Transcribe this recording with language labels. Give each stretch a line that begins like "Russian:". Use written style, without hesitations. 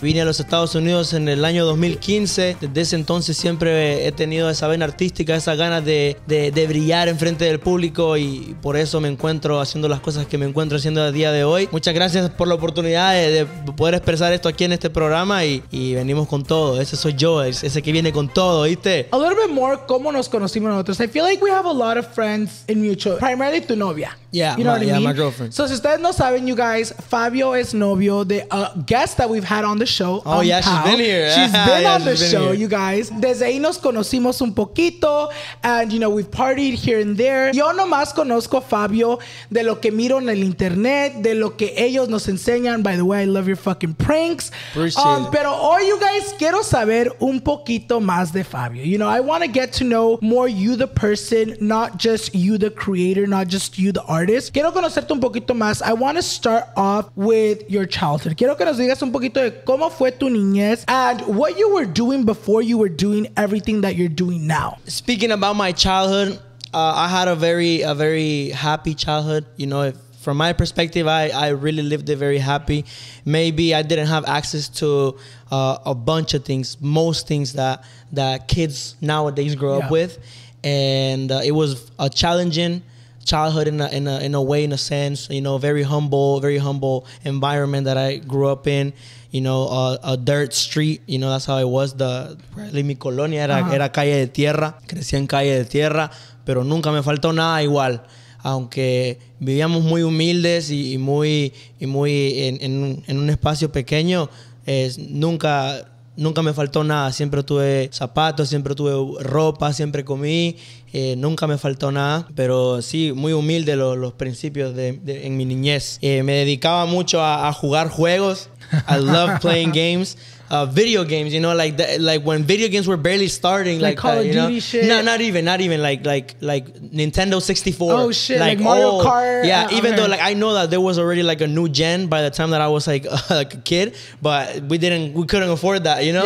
Spanish: Vine a los Estados Unidos en el año 2015. Desde ese entonces siempre he tenido esa vena artística, esa ganas de brillar enfrente del público y por eso me encuentro haciendo las cosas que me encuentro haciendo a día de hoy. Muchas gracias por la oportunidad de poder expresar esto aquí en este programa y venimos con todo. Ese soy yo, ese que viene con todo, ¿viste?
English: A little bit more,
Spanish: ¿cómo nos conocimos nosotros?
English: I feel like we have a lot of friends in mutual, primarily
Spanish: tu novia.
English: Yeah, my girlfriend. So
Spanish: si ustedes no saben,
English: you guys, Fabio
Spanish: es novio de
English: a guest that we've had on the show. She's been on the show. You guys,
Spanish: desde ahí nos conocimos un poquito
English: and you know we've partied here and there.
Spanish: Yo nomás conozco a Fabio de lo que miro en el internet, de lo que ellos nos enseñan.
English: By the way, I love your fucking pranks.
Spanish: Pero hoy,
English: you guys,
Spanish: quiero saber un poquito más de Fabio.
English: You know, I want to get to know more you the person, not just you the creator, not just you the artist.
Spanish: Quiero conocerte un poquito más.
English: I want to start off with your childhood.
Spanish: Quiero que nos digas un poquito de cómo fue tu niñez
English: and what you were doing before you were doing everything that you're doing now. Speaking about my childhood, I had a very happy childhood. You know, from my perspective, I really lived it very happy. Maybe I didn't have access to a bunch of things, most things that kids nowadays grow up with. And it was a challenging childhood in a sense, you know, very humble environment that I grew up in, you know, a dirt street, you know, that's how it was.
Spanish: Mi colonia era calle de tierra, crecí en calle de tierra, pero nunca me faltó nada igual, aunque vivíamos muy humildes y muy en un espacio pequeño, nunca me faltó nada, siempre tuve zapatos, siempre tuve ropa, siempre comí, nunca me faltó nada, pero sí, muy humilde los principios de en mi niñez. Me dedicaba mucho a jugar juegos.
English: I love playing games, video games, you know, like when video games were barely starting, like Call of Duty know? Shit. No, not even like Nintendo 64. Oh shit, like Mario Kart. Yeah, even though like I know that there was already like a new gen by the time that I was like a kid, but we couldn't afford that, you know.